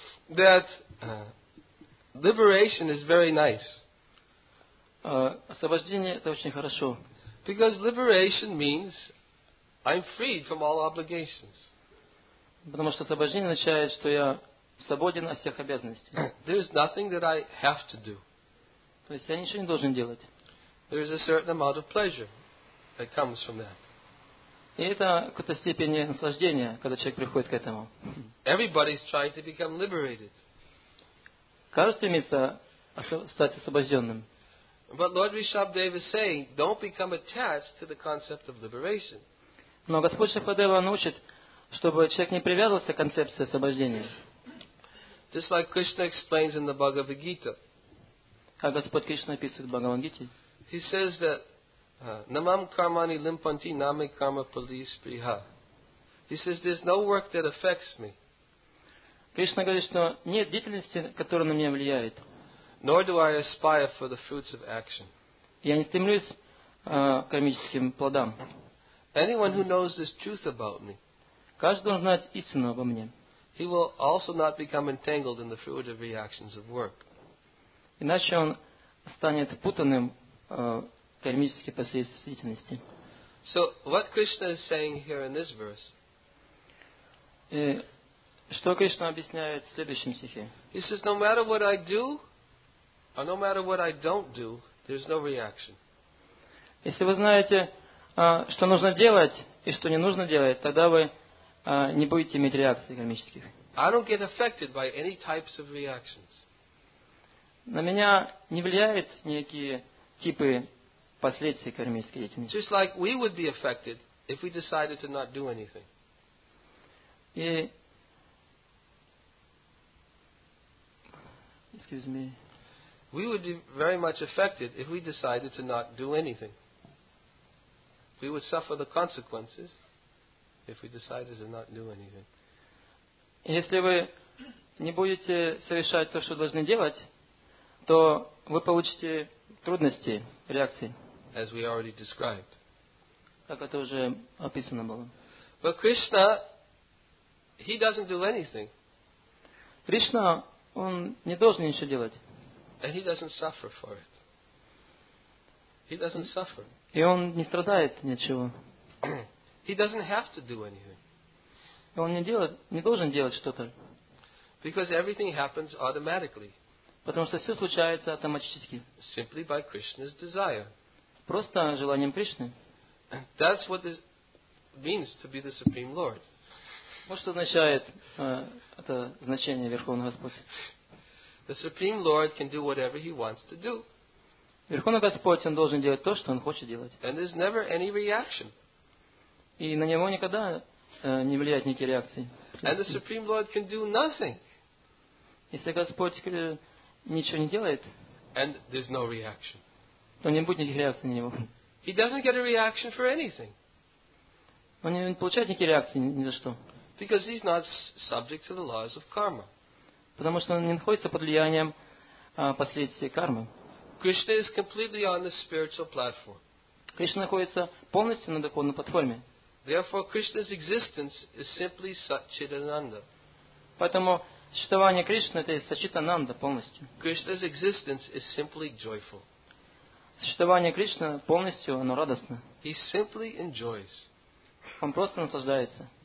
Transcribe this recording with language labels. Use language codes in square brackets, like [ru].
[en] That liberation is very nice. [ru] Освобождение это очень хорошо. [en] Because liberation means I'm freed from all obligations. [ru] Потому что освобождение означает, что я свободен от всех обязанностей. [en] There's nothing that I have to do. [ru] То есть я ничего не должен делать. [en] There's a certain amount of pleasure that comes from that. [ru] И это в какой-то степени наслаждение, когда человек приходит к этому. [en] Everybody's trying to become liberated. [ru] Каждый стремится стать освобожденным. [en] But Lord Rishabhdev is saying, don't become attached to the concept of liberation. [ru] Но Господь Шабхадева научит, чтобы человек не привязывался к концепции освобождения. [en] Just like Krishna explains in the Bhagavad Gita. [ru] Как Господь Кришна описывает в Бхагавад Гите. [en] He says that [sa] namam karmani limpanti name karma palispriha. [en] He says there's no work that affects me. [ru] Кришна говорит, что нет деятельности, которая на меня влияет. [en] Nor do I aspire for the fruits of action. [ru] Я не стремлюсь к кармическим плодам. [en] Anyone who knows this truth about me, [ru] каждый должен знать истину обо мне. [en] He will also not become entangled in the fruit of reactions of work. [ru] Иначе он станет путанным кармически последствия деятельности. [en] So what Krishna is saying here in this verse? [ru] Что Кришна объясняет в следующем стихе? [en] He says, no matter what I do, or no matter what I don't do, there's no reaction. [ru] Если вы знаете, что нужно делать и что не нужно делать, тогда вы не будете иметь реакций кармических. [en] I don't get affected by any types of reactions. [ru] На меня не влияют никакие типы последствий кармической деятельности. [en] Just like we would be affected if we decided to not do anything. Excuse me. We would be very much affected if we decided to not do anything. We would suffer the consequences if we decided to not do anything. [ru] Если вы не будете совершать то, что должны делать, то вы получите трудности реакции. [en] As we already described. [ru] Как это уже описано было. [en] But Krishna, he doesn't do anything. [ru] Кришна, он не должен ничего делать. [en] And he doesn't suffer for it. He doesn't suffer. [ru] И он не страдает ничего. [en] He doesn't have to do anything. [ru] И он не должен делать что-то. [en] Because everything happens automatically. [ru] Потому что все случается автоматически. [en] Simply by Krishna's desire. [ru] Просто желанием Кришны. [en] That's what it means to be the Supreme Lord. [ru] Вот что означает это значение Верховного Господа. [en] The Supreme Lord can do whatever he wants to do. [ru] Верховный Господь, он должен делать то, что он хочет делать. [en] And there's never any reaction. [ru] И на него никогда не влияет никакие реакции. [en] And the Supreme Lord can do nothing. [ru] Если Господь ничего не делает, [en] and there's no reaction. [ru] То не будет никаких реакций на него. [en] He doesn't get a reaction for anything. [ru] Он не получает никакие реакции ни за что. [en] Because he's not subject to the laws of karma. [ru] Потому что он не находится под влиянием последствий кармы. [en] Krishna is completely on the spiritual platform. [ru] Кришна находится полностью на духовной платформе. [en] Therefore, Krishna's existence is simply Satchitananda. [ru] Поэтому существование Кришны это Сачитананда полностью. [en] Krishna's existence is simply joyful. [ru] Существование Кришны полностью оно радостно. [en] He simply enjoys. [ru] Он просто наслаждается.